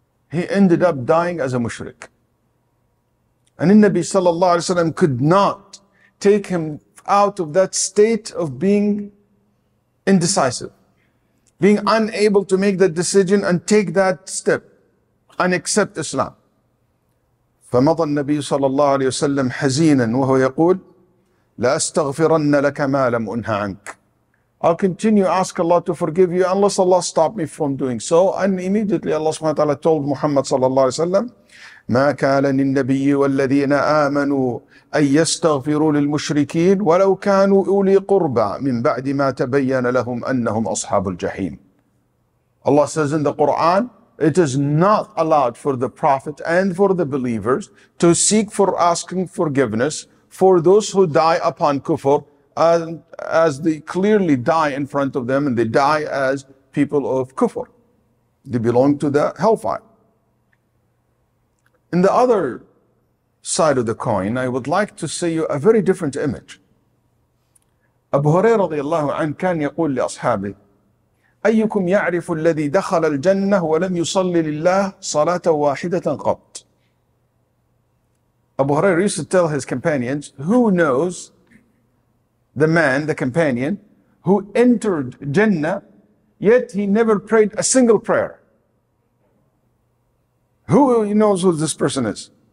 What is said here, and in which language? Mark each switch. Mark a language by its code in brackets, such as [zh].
[en] He ended up dying as a mushrik. And the Nabi sallallahu alayhi wa sallam could not take him out of that state of being indecisive, being unable to make that decision and take that step and accept Islam. [ar] فَمَضَى النَّبِيُّ صَلَّى اللَّهُ عَلَيْهِ وَسَلَّمْ حَزِينًا وَهُوَ يَقُولُ لَأَسْتَغْفِرَنَّ لَكَ مَا لَمْ أُنْهَ عَنْكَ. [en] I'll continue, ask Allah to forgive you unless Allah stop me from doing so. And immediately Allah subhanahu wa ta'ala told Muhammad sallallahu alayhi wa sallam, [ar] مَا كَالَ لِلنَّبِيِّ وَالَّذِينَ آمَنُوا أَن يَسْتَغْفِرُوا لِلْمُشْرِكِينَ وَلَوْ كَانُوا أُولِي قُرْبَى مِنْ بَعْدِ مَا تَبَيَّنَ لَهُمْ أَنَّهُمْ أَصْحَابُ الْجَحِيمِ. [en] Allah says in the Quran, it is not allowed for the Prophet and for the believers to seek for asking forgiveness for those who die upon kufr, as they clearly die in front of them, and they die as people of kufr. They belong to the hellfire. In the other side of the coin, I would like to see you a very different image. [ar] Abu Hurairah radiallahu anhu كان يقول لأصحابه أيكم يعرف الذي دخل الجنة ولم يصلي لله صلاة واحدة قط. [en] Abu Hurairah used to tell his companions, who knows the man, the companion, who entered Jannah, yet he never prayed a single prayer? Who knows who this person is?